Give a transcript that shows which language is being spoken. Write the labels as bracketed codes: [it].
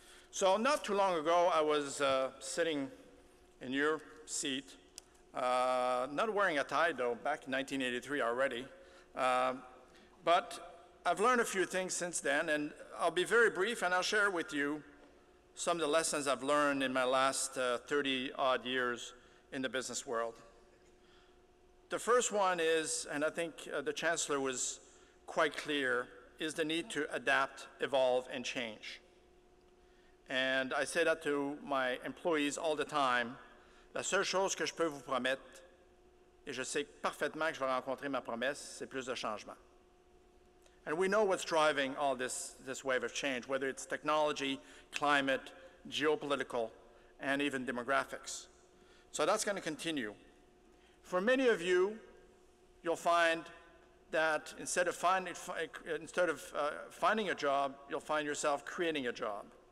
[en] So not too long ago, I was sitting in your seat, not wearing a tie though, back in 1983 already, but I've learned a few things since then, and I'll be very brief and I'll share with you some of the lessons I've learned in my last 30-odd years in the business world. The first one is, and I think the Chancellor was quite clear, is the need to adapt, evolve, and change. And I say that to my employees all the time. [fr] La seule chose que je peux vous promettre, et je sais parfaitement que je vais rencontrer ma promesse, c'est plus de changement. [en] And we know what's driving all this wave of change, whether it's technology, climate, geopolitical, and even demographics. So that's going to continue. For many of you, you'll find that instead of finding a job, you'll find yourself creating a job.